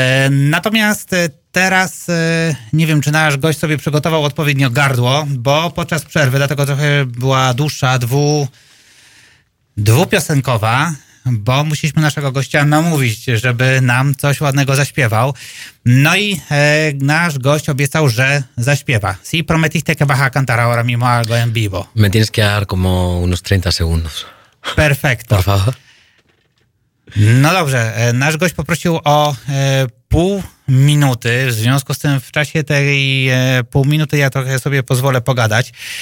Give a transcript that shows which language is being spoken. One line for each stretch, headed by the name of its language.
Polish: Natomiast teraz nie wiem, czy nasz gość sobie przygotował odpowiednio gardło, bo podczas przerwy, dlatego trochę była dłuższa, dwupiosenkowa, bo musieliśmy naszego gościa namówić, żeby nam coś ładnego zaśpiewał. No i nasz gość obiecał, że zaśpiewa.
Spanish: Si prometiste que vas a cantar ahora mismo algo en vivo. Me tienes que dar como unos 30 segundos. Perfecto. Por favor.
Polish: No dobrze, nasz gość poprosił o pół minuty, w związku z tym w czasie tej pół minuty ja trochę sobie pozwolę pogadać.